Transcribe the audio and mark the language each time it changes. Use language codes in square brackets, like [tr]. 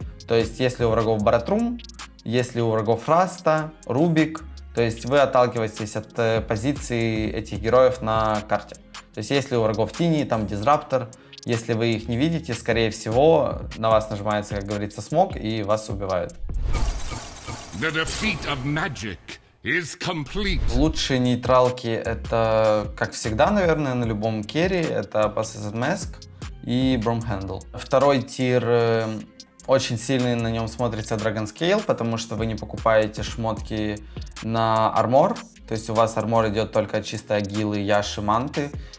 [ru] То есть, если у врагов Баратрум, если у врагов Раста, Рубик, то есть вы отталкиваетесь от позиции этих героев на карте. То есть если у врагов Тини, там Дизраптор, если вы их не видите, скорее всего, на вас нажимается, как говорится, смог и вас убивают. [en] The defeat of magic is complete. [ru] Лучшие нейтралки это, как всегда, наверное, на любом керри, это Possessed Mask и Broomhandle. Второй тир... Очень сильный на нем смотрится Dragon Scale, потому что вы не покупаете шмотки на армор. То есть у вас армор идет только от чистой агилы, яши, манты.